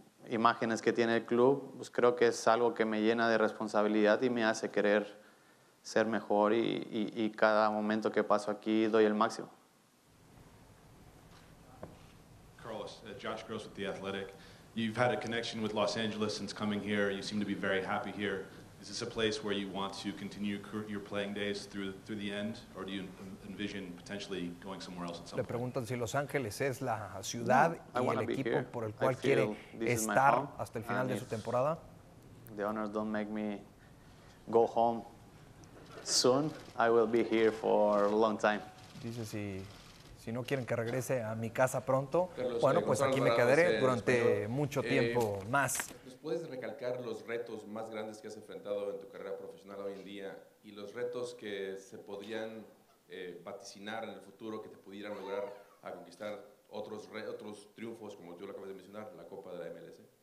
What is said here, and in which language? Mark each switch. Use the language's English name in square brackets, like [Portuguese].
[Spanish] imágenes que tiene el club, pues creo que es algo que me llena de responsabilidad y me hace querer ser mejor y cada momento que paso aquí doy el máximo. [English] Carlos, Josh Gross with The Athletic. You've had a connection with Los Angeles since coming here. You seem to be very happy here. Is this a place where you want to continue your playing days through the end, or do you envision potentially going somewhere else at some point? [Spanish] Le preguntan si Los Ángeles es la ciudad y el equipo por el cual quiere estar hasta el final de su temporada. [English] The owners don't make me go home soon. I will be here for a long time. [Spanish] Dice si no quieren que regrese a mi casa pronto, bueno, pues aquí me quedaré durante mucho tiempo más. ¿Puedes recalcar los retos más grandes que has enfrentado en tu carrera profesional hoy en día y los retos que se podrían vaticinar en el futuro que te pudieran lograr a conquistar otros triunfos como tú lo acabas de mencionar, la Copa de la MLS?